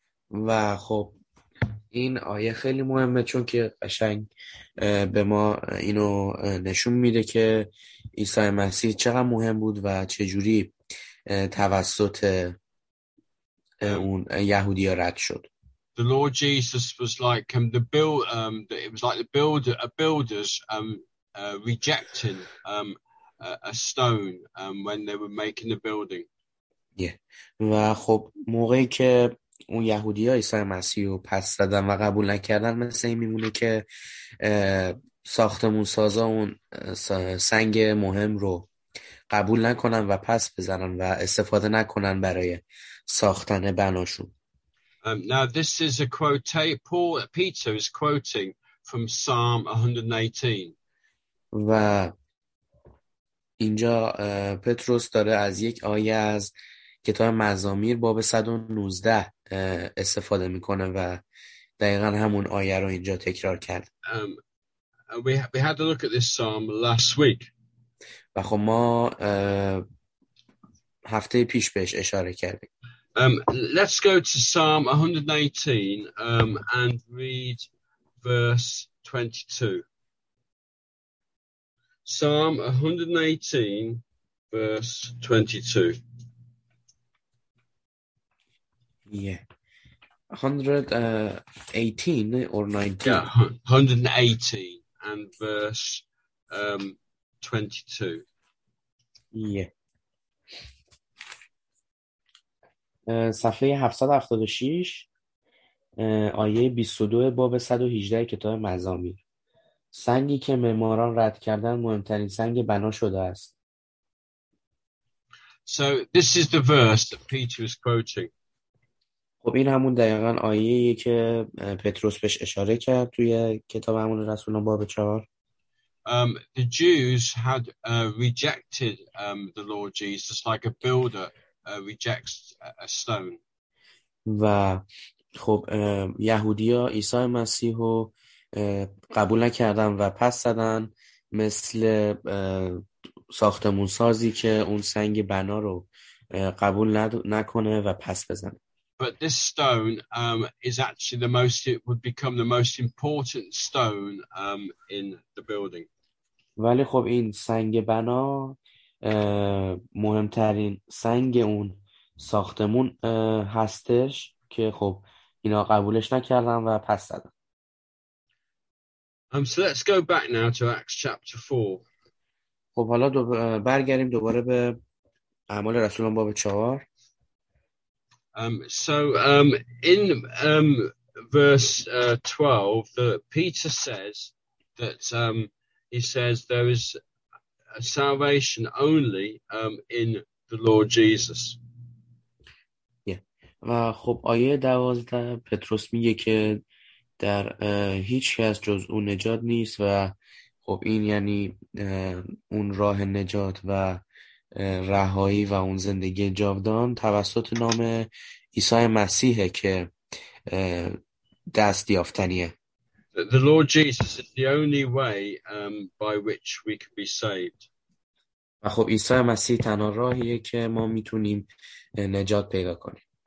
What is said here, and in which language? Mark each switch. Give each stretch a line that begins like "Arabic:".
Persian: و خب این آیه خیلی مهمه، چون که قشنگ به ما اینو نشون میده که عیسی مسیح چقدر مهم بود و چجوری توسط اون یهودی ها رد شد.
English: The Lord Jesus was like the builders rejecting a stone when they were making the building.
Persian: و خب موقعی که اون یهودی ها عیسی مسیح رو پس دادن و قبول نکردن، مثل این میمونه که ساختمون سازا اون سنگ مهم رو قبول نکنن و پس بزنن و استفاده نکنن برای ساختن بناشون.
English: Now this is a quote Paul Peter is quoting from Psalm 118.
Persian: و اینجا پتروس داره از یک آیه از کتاب مزامیر باب 119 استفاده میکنه و دقیقا همون آیه رو اینجا تکرار کرد.
English: We had a look at this psalm last week.
Persian: و خب ما هفته پیش بهش اشاره کردیم.
English: Let's go to Psalm 119 and read verse 22. Psalm 118, verse 22. Yeah. 118 or 19? Yeah, 118 and verse 22. Yeah.
Persian: صفحه 776 آیه 22 باب 118 کتاب مزامیر. سنگی که معماران رد کردن مهمترین سنگ بنا شده است.
English: So this is the verse that Peter is quoting.
Persian: خب این همون دقیقا آیه ای که پتروس بهش اشاره کرد توی کتاب عمل رسولان باب 4.
English: The Jews had rejected the Lord Jesus like a builder rejects a stone.
Persian: و خب یهودیا عیسی مسیح رو قبول نکردن و پس زدن مثل ساختمون سازی که اون سنگ بنا رو قبول نکنه و پس بزنه.
English: But this stone is actually the most it would become the most important stone in the building.
Persian: ولی خب این سنگ بنا مهمترین سنگ اون ساختمون هستش که خب اینا قبولش نکردن و پس دادن.
English: So let's go back now to Acts chapter 4.
Persian: خب حالا برگردیم دوباره به اعمال رسولان باب 4.
English: So in verse 12 the Peter says that he says there is salvation only in the Lord Jesus. Yeah.
Persian: و خب آیه 12 پتروس میگه که در هیچ کس جز اون نجات نیست و خب این یعنی اون راه نجات و رهایی و اون زندگی جاودان توسط نام عیسی مسیحه که دست یافتنیه.
English: The Lord Jesus is the only way by which we can be saved.
Persian: و خب عیسی مسیح تنها راهیه که ما میتونیم نجات پیدا کنیم.